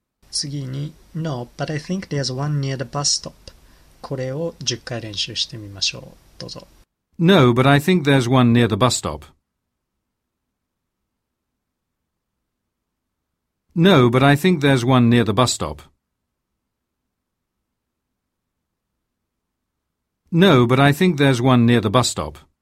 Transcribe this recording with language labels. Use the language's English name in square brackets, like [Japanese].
[Japanese] 次に [English] No, but I think there's one near the bus stop. [Japanese] これを10回練習してみましょう。どうぞ。 [English] No, but I think there's one near the bus stop. No, but I think there's one near the bus stop. No, but I think there's one near the bus stop.